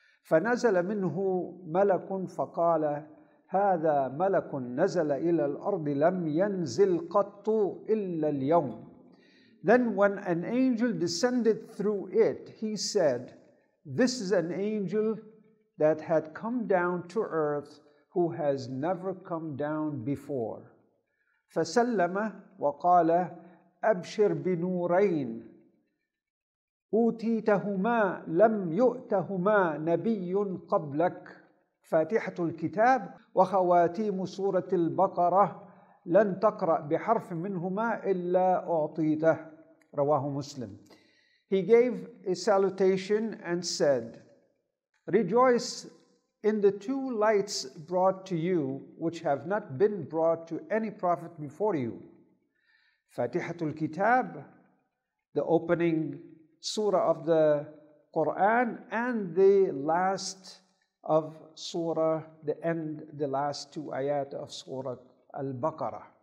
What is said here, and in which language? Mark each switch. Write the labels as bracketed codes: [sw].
[ar] فَنَزَلَ مِنْهُ مَلَكٌ فَقَالَ هَذَا مَلَكٌ نَزَلَ إِلَى الْأَرْضِ لَمْ يَنْزِلْ قَطُّ إِلَّا الْيَوْمِ. [en] Then when an angel descended through it, he said, this is an angel that had come down to earth who has never come down before. [ar] فسلم وقال أبشر بنورين أوتيتهما لم يؤتهما نبي قبلك فاتحة الكتاب وخواتيم سورة البقرة لن تقرأ بحرف منهما إلا أعطيته رواه مسلم. [en] He gave a salutation and said, rejoice in the two lights brought to you, which have not been brought to any prophet before you. Fatihatul Kitab, the opening surah of the Quran, and the last of surah, the last two ayat of surah Al-Baqarah.